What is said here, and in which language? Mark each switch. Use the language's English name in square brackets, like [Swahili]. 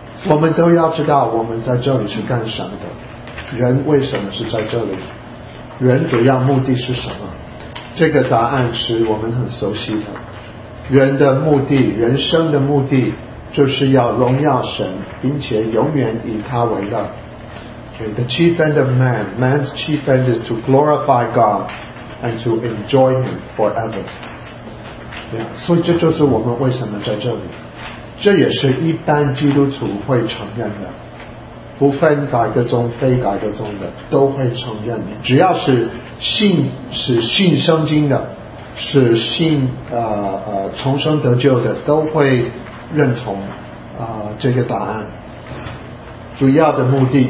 [Chinese] 我们都要知道我们在这里是干什么的，人为什么是在这里，人主要目的是什么，这个答案是我们很熟悉的。人的目的，人生的目的，就是要荣耀神，并且永远以他为乐。 [English] And the chief end of man, man's chief end is to glorify God and to enjoy him forever. [Chinese] Yeah, 所以这就是我们为什么在这里，这也是一般基督徒会承认的，不分改革宗非改革宗的都会承认的，只要是信圣经的，是信重生得救的，都会认同这个答案主要的目的。